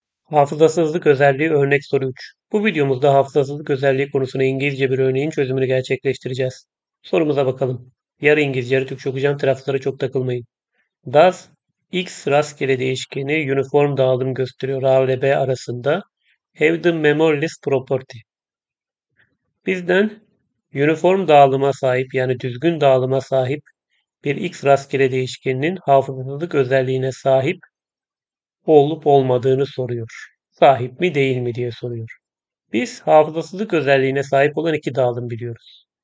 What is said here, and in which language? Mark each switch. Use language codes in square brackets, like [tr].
[tr] Hafızasızlık özelliği örnek soru 3. Bu videomuzda hafızasızlık özelliği konusunda İngilizce bir örneğin çözümünü gerçekleştireceğiz. Sorumuza bakalım. Yarı İngilizce, yarı Türkçe okuyacağım. Taraflara çok takılmayın. [en] Does [tr] X rastgele değişkeni uniform dağılım gösteriyor A ile B arasında? [en] Have the memoryless property. [tr] Bizden uniform dağılıma sahip, yani düzgün dağılıma sahip bir X rastgele değişkeninin hafızasızlık özelliğine sahip olup olmadığını soruyor. Sahip mi değil mi diye soruyor. Biz hafızasızlık özelliğine sahip olan iki dağılım biliyoruz.